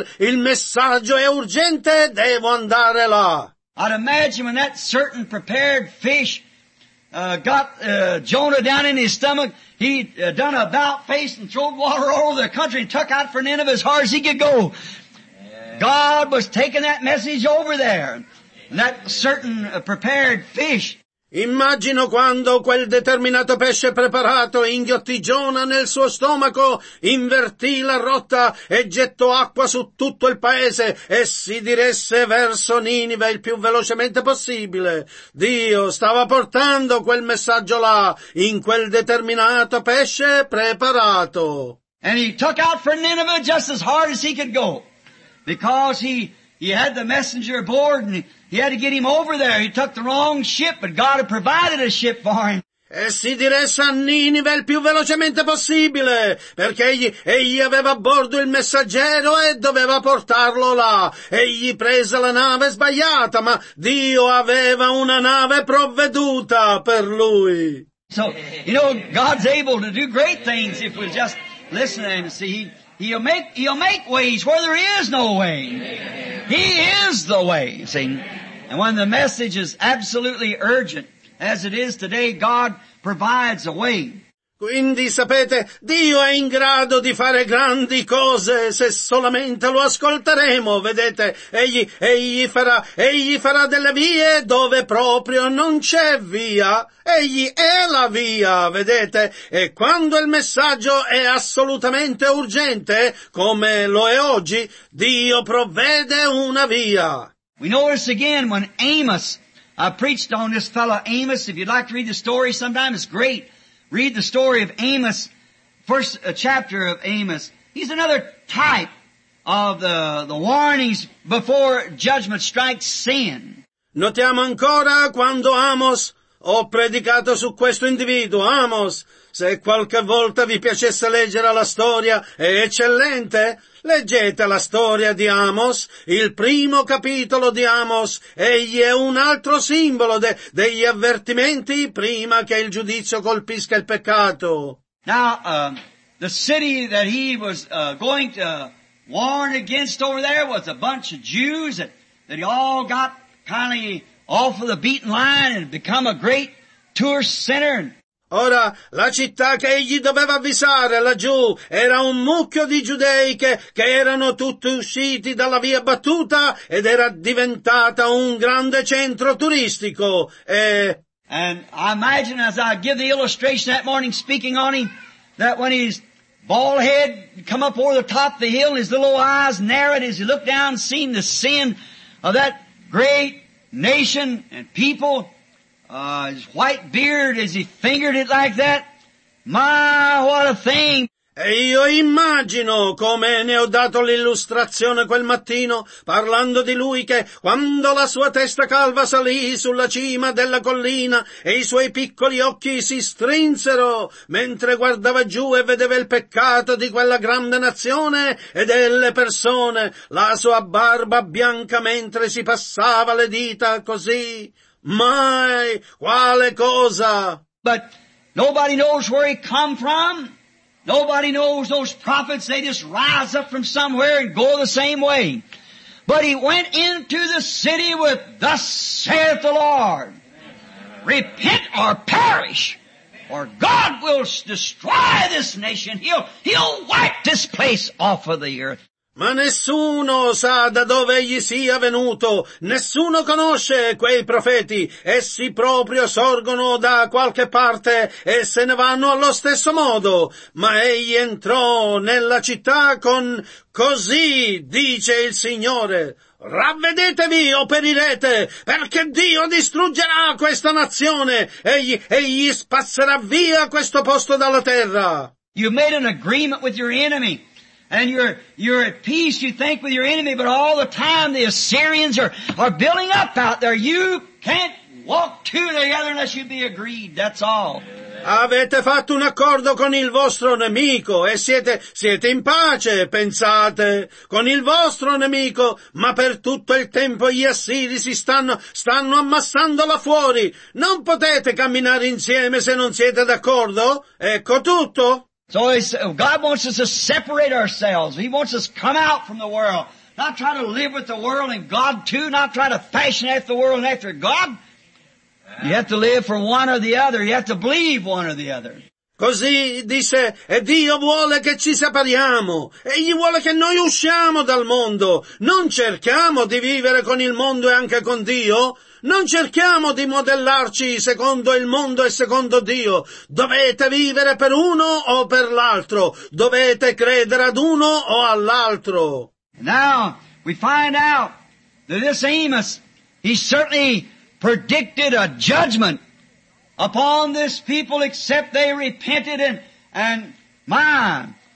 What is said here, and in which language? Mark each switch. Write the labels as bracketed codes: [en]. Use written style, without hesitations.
[it] Il messaggio è urgente, devo andare là. [en] I'd imagine when that certain prepared fish got Jonah down in his stomach, He'd done a about face and throwed water all over the country and took out for Nineveh as hard as he could go. God was taking that message over there. And that certain prepared fish. [it] Immagino quando quel determinato pesce preparato inghiottì Giona nel suo stomaco, invertì la rotta e gettò acqua su tutto il paese e si diresse verso Ninive il più velocemente possibile. Dio stava portando quel messaggio là, in quel determinato pesce preparato. [en] And he took out for Nineveh just as hard as he could go, because he had the messenger aboard and he had to get him over there. He took the wrong ship, but God had provided a ship for him. [it] E si diresse a Ninive il più velocemente possibile, perché egli aveva a bordo il messaggero e doveva portarlo là. Egli prese la nave sbagliata, ma Dio aveva una nave provveduta per lui. [en] So, you know, God's able to do great things if we just listen and see. He'll make ways where there is no way. He is the way, see. And when the message is absolutely urgent, as it is today, God provides a way. [it] Quindi sapete, Dio è in grado di fare grandi cose se solamente lo ascolteremo, vedete. Egli farà delle vie dove proprio non c'è via. Egli è la via, vedete. E quando il messaggio è assolutamente urgente, come lo è oggi, Dio provvede una via. [en] We notice again when Amos, I preached on this fellow Amos, if you'd like to read the story sometime, it's great. Read the story of Amos, first chapter of Amos. He's another type of the warnings before judgment strikes sin. [it] Notiamo ancora quando Amos, ho predicato su questo individuo, Amos, se qualche volta vi piacesse leggere la storia, è eccellente. Leggete la storia di Amos, il primo capitolo di Amos, egli è un altro simbolo degli avvertimenti prima che il giudizio colpisca il peccato. [en] Now, the city that he was going to warn against over there was a bunch of Jews that he all got kind of off of the beaten line and become a great tourist center. [it] Ora, la città che egli doveva avvisare laggiù era un mucchio di giudei che erano tutti usciti dalla via battuta ed era diventata un grande centro turistico. E... [en] And I imagine as I give the illustration that morning speaking on him, that when his bald head come up over the top of the hill and his little eyes narrowed as he looked down and seen the sin of that great nation and people, his white beard as he fingered it like that. My, what a thing! [it] E io immagino come ne ho dato l'illustrazione quel mattino, parlando di lui che, quando la sua testa calva salì sulla cima della collina e i suoi piccoli occhi si strinsero, mentre guardava giù e vedeva il peccato di quella grande nazione e delle persone, la sua barba bianca mentre si passava le dita così. Mai, quale cosa! [en] But nobody knows where he come from. Nobody knows those prophets, they just rise up from somewhere and go the same way. But he went into the city with, thus saith the Lord, repent or perish, or God will destroy this nation. He'll wipe this place off of the earth. [it] Ma nessuno sa da dove egli sia venuto, nessuno conosce quei profeti, essi proprio sorgono da qualche parte e se ne vanno allo stesso modo, ma egli entrò nella città con così, dice il Signore, ravvedetevi o perirete, perché Dio distruggerà questa nazione, egli spazzerà via questo posto dalla terra. [en] You made an agreement with your enemy. And you're at peace, you think, with your enemy, but all the time the Assyrians are building up out there. You can't walk two together unless you be agreed, that's all. [it] Avete fatto un accordo con il vostro nemico e siete in pace, pensate, con il vostro nemico, ma per tutto il tempo gli Assiri si stanno ammassando là fuori. Non potete camminare insieme se non siete d'accordo? Ecco tutto. [en] So God wants us to separate ourselves. He wants us to come out from the world, not try to live with the world and God too, not try to fashion after the world and after God. You have to live for one or the other. You have to believe one or the other. [it] Così disse, e Dio vuole che ci separiamo, egli vuole che noi usciamo dal mondo, non cerchiamo di vivere con il mondo e anche con Dio, non cerchiamo di modellarci secondo il mondo e secondo Dio, dovete vivere per uno o per l'altro, dovete credere ad uno o all'altro. [en] Now, we find out that this Amos, he certainly predicted a judgment upon this people except they repented and mine.